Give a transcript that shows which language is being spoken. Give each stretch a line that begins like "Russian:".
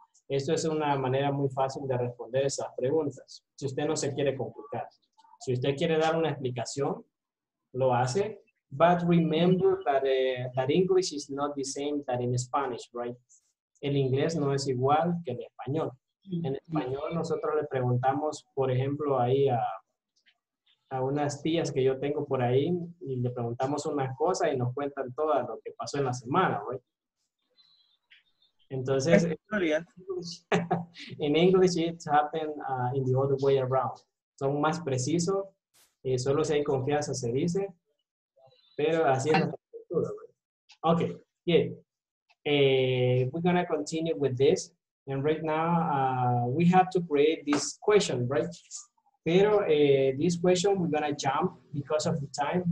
Spanish: Esto es una manera muy fácil de responder esas preguntas. Si usted no se quiere complicar. Si usted quiere dar una explicación, lo hace.
English: But remember that, that English is not the same that in Spanish, right?
Spanish: El inglés no es igual que el español. En español nosotros le preguntamos, por ejemplo, ahí a unas tías que yo tengo por ahí y le preguntamos una cosa y nos cuentan todo lo que pasó en la semana, right? Entonces, en
English: English it happened in the other way around.
Spanish: Son más precisos, solo si hay confianza se dice, pero así es la estructura.
English: Okay, good. We're going to continue with this. And right now, we have to create this question, right? Pero this question, we're going to jump because of the time.